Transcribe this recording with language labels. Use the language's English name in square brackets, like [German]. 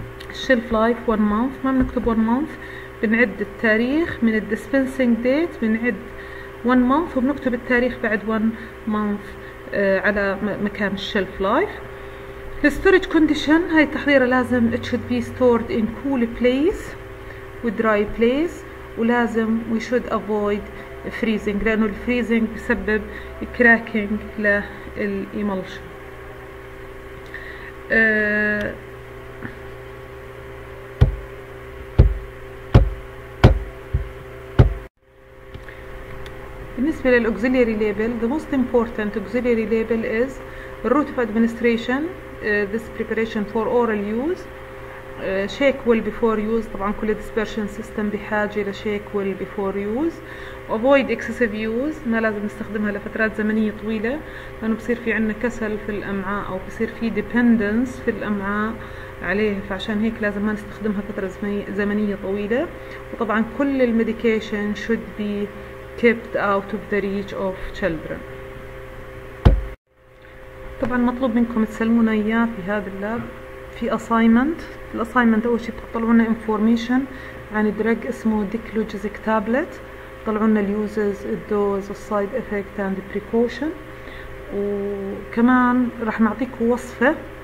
[Arabic] الشلف لايف 1 month، ما بنكتب 1 month، بنعد التاريخ من الديسبنسينج ديت، بنعد 1 month وبنكتب التاريخ بعد 1 month على مكان الشلف لايف. [English] الستورج كونديشن، [Arabic] هاي التحضيرة لازم [English] it should be stored in cool place with dry place، ولازم we should avoid freezing [Arabic] لأنه الفريزنج بسبب [English] cracking للإيمولشن. [Arabic] بالنسبة للأوكسيليري ليبل، [English] the most important auxiliary label is route of administration. This preparation for oral use. Shake well before use. [Arabic] طبعا كل [English] dispersion system [Arabic] بحاجة ل [English] shake well before use. Avoid excessive use. [Arabic] ما لازم نستخدمها لفترات زمنية طويلة، لأنه بصير في عنا كسل في الأمعاء أو بصير في dependence في الأمعاء عليه، فعشان هيك لازم ما نستخدمها فترة زمنية طويلة. وطبعا كل [English] medication should be kept out of the reach of children. [Arabic] طبعا مطلوب منكم تسلمونا إياه في هذا اللاب في assignment. الاسايمنت اول شيء بتطلعوا لنا انفورميشن عن درج اسمه ديكلوجيزك تابلت، طلعوا لنا اليوزز الدوز السايد افكت اند بريكوشن، وكمان راح نعطيكم وصفه